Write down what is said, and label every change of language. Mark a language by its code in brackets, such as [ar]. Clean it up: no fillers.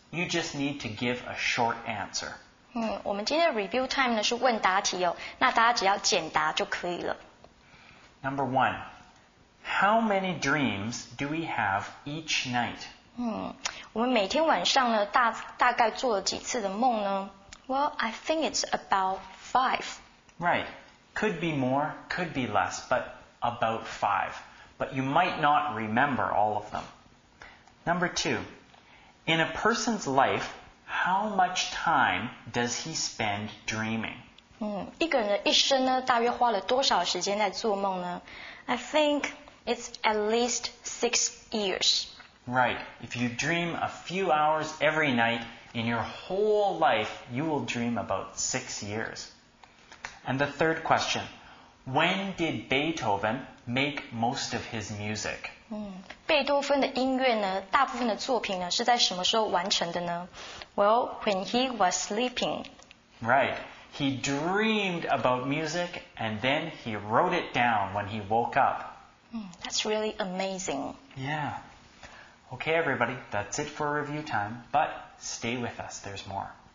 [en] You just need to give a short answer. [zh] 我们今天的 review time 呢是问答题哦，那大家只要简答就可以了。 [en] Number one, how many dreams do we have each night? [zh] 我们每天晚上呢大概做了几次的梦呢？ [en] Well, I think it's about 5. Right, could be more, could be less, but about 5. But you might not remember all of them. Number two, in a person's life, how much time does he spend dreaming? [zh] 一个人的一生呢，大约花了多少时间在做梦呢？ [en] I think it's at least 6 years. Right. If you dream a few hours every night in your whole life, you will dream about 6 years. And the third question, when did Beethoven... make most of his music. [zh] 贝多芬的音乐呢大部分的作品呢是在什么时候完成的呢？ [en] Well, when he was sleeping. Right. He dreamed about music and then he wrote it down when he woke up. That's really amazing. Yeah. Okay, everybody, that's it for review time. But stay with us, there's more.